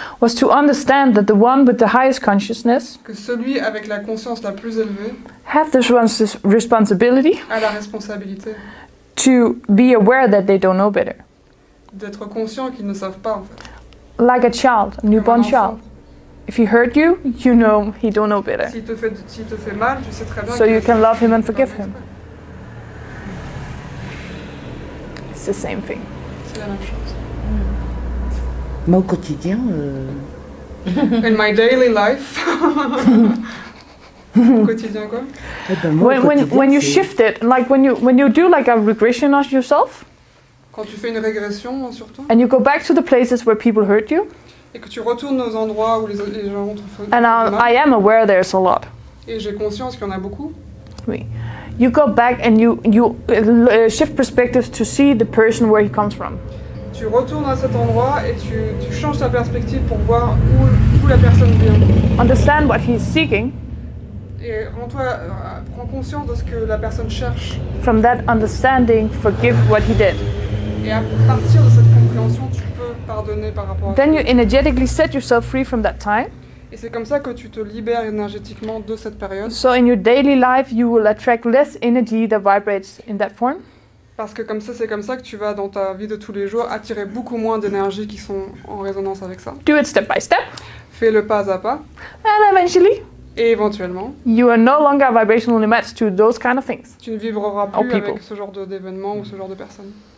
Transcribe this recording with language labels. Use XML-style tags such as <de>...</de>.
<en>was to understand that the one with the highest consciousness,</en> <fr>que celui avec la conscience la plus élevée,</fr> <en>have this one's responsibility,</en> <fr>a la responsabilité,</fr> <en>to be aware that they don't know better,</en> <fr>d'être conscient qu'ils ne savent pas en fait,</fr> <en>like a child, a newborn child. If he hurt you, you know he don't know better.</en> <fr>S'il te fait mal, tu sais très bien.</fr> <en>So you can love him and forgive him. The same thing.</en> <fr>C'est la même chose. Mais au quotidien.</fr> <en>In my daily life.</en> <fr>Au quotidien quoi? Eh ben moi,</fr> <en>when you shift it, like when you do like a regression on yourself.</en> <fr>Quand tu fais une régression sur toi.</fr> <en>And you go back to the places where people hurt you.</en> <fr>Et que tu retournes aux endroits où les gens ont fait.</fr> <en>And I am aware there's a lot.</en> <fr>Et j'ai conscience qu'il y en a beaucoup. Oui.</fr> <en>You go back and you shift perspectives to see the person where he comes from.</en> <fr>Tu retournes à cet endroit et tu changes ta perspective pour voir où la personne vient.</fr> <en>Understand what he's seeking.</en> <fr>Et prends conscience de ce que la personne cherche.</fr> <en>From that understanding, forgive what he did.</en> <fr>Et à partir de cette compréhension, tu peux pardonner par rapport à.</fr> <en>Then you energetically set yourself free from that time.</en> <fr>Et c'est comme ça que tu te libères énergétiquement de cette période.</fr> <en>So in your daily life, you will attract less energy that vibrates in that form.</en> <fr>Parce que comme ça, c'est comme ça que tu vas dans ta vie de tous les jours attirer beaucoup moins d'énergie qui sont en résonance avec ça.</fr> <en>Do it step by step.</en> <fr>Fais le pas à pas.</fr> <en>And eventually.</en> <fr>Et éventuellement.</fr> <en>You are no longer vibrationally matched to those kind of things.</en> <fr>Tu ne vibreras plus avec ce genre d'événements ou ce genre de personnes.</fr>